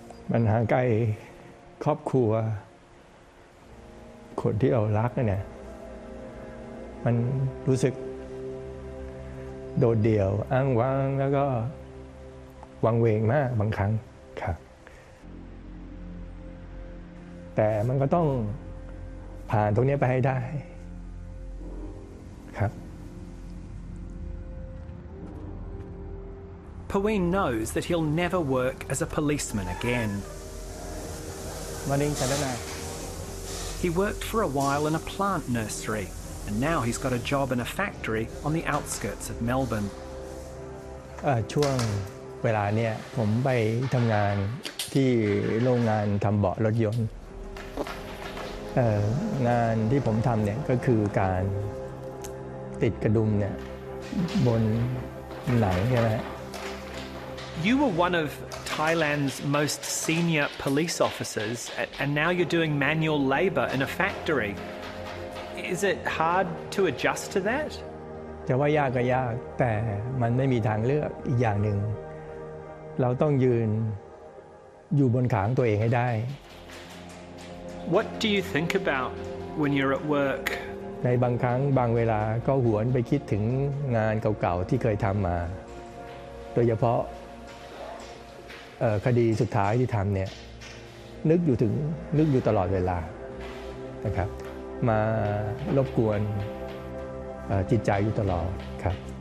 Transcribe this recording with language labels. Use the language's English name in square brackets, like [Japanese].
[Thai] มันห่างไกลครอบครัวคนที่เรารักเนี่ยมันรู้สึกโดดเดี่ยวอ้างว้างแล้วก็วังเวงมากบางครั้งครับแต่มันก็ต้องผ่านตรงนี้ไปให้ได้ครับ [English] Pawin knows that he'll never work as a policeman again. Morning, Chandana. He worked for a while in a plant nursery, and now he's got a job in a factory on the outskirts of Melbourne. [Thai] ช่วงเวลาเนี่ยผมไปทำงานที่โรงงานทำเบาะรถยนต์งานที่ผมทำเนี่ยก็คือการติดกระดุมเนี่ยบนหนังใช่ไหม [English] You were one of Thailand's most senior police officers, and now you're doing manual labour in a factory. Is it hard to adjust to that? [Thai] จะว่ายากก็ยากแต่มันไม่มีทางเลือกอีกอย่างหนึ่งเราต้องยืนอยู่บนขาของตัวเองให้ได้ [English] What do you think about when you're at work? [Thai] ในบางครั้งบางเวลาก็หวนไปคิดถึงงานเก่าๆที่เคยทำมาโดยเฉพาะคดีสุดท้ายที่ทำเนี่ยนึกอยู่ตลอดเวลานะครับมารบกวนจิตใจอยู่ตลอดครับ